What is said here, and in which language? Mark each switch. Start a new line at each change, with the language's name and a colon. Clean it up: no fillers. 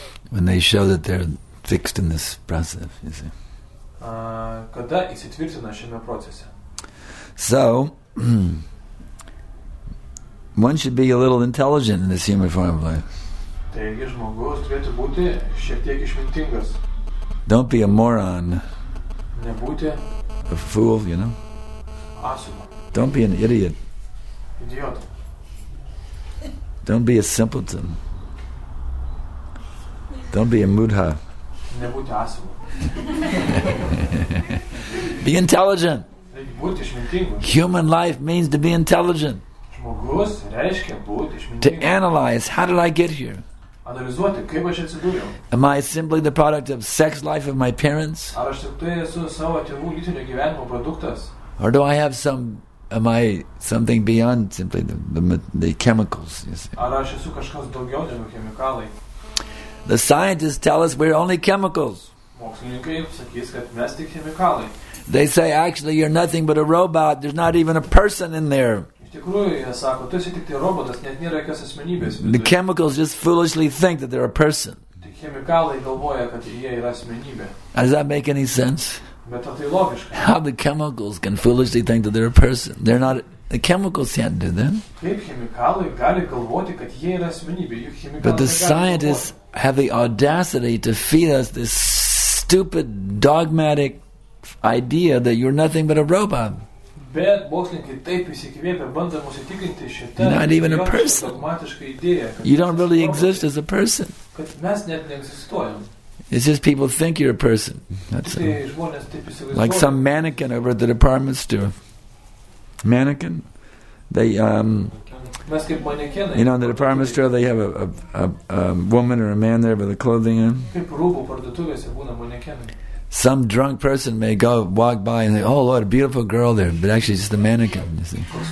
English: When they show that they're fixed in this process, you see.
Lithuanian: Kada įsitvirtina šiame procese.
English: So, one should be a little intelligent in this human form of life.
Lithuanian: Taigi, žmogus turėtų būti šiek tiek išmintingas.
English: Don't be a moron.
Lithuanian: Nebūti.
English: A fool, you know.
Lithuanian: Asima.
English: Don't be an idiot. Idiot. Don't be a simpleton. Don't be a mudha.
Lithuanian: Nebūti asima.
English: Be intelligent.
Lithuanian: Taigi, būti išmintingas.
English: Human life means to be intelligent.
Lithuanian: Žmogus reiškia būti išmintingas.
English: To analyze, how did I get here?
Lithuanian: Analizuoti, kaip aš atsidūrėjau.
English: Am I simply the product of sex life of my parents?
Lithuanian: Ar aš tai esu savo tėvų lytinio gyvenimo produktas?
English: Or do I have some, am I something beyond simply the chemicals, you see?
Lithuanian: Ar aš esu kažkas daugiau negu chemikalai?
English: The scientists tell us we're only chemicals.
Lithuanian: Mokslininkai sakys, kad mes tik chemikalai.
English: They say, actually, you're nothing but a robot. There's not even a person in there. The chemicals just foolishly think that they're a person. Does that make any sense? How the chemicals can foolishly think that they're a person? They're not. The chemicals can't do that. But the scientists have the audacity to feed us this stupid dogmatic idea that you're nothing but a robot.
Lithuanian: Bet mokslininkai taip įsikvėpia, bando mus įtikinti šitą.
English: Not even a person.
Lithuanian: Idėją,
English: you don't really exist as a person.
Lithuanian: Kad mes net neegzistuojam.
English: It's just people think you're a person. That's it. Like some mannequin over at the department store. Mannequin? They,
Lithuanian: mes kaip manekenai.
English: You know, in the department store they have a woman or a man there with the clothing on.
Lithuanian: Kaip rūbų parduotuvėse būna manekenai.
English: Some drunk person may go walk by and say, oh Lord, a beautiful girl there, but actually it's just a mannequin, you see.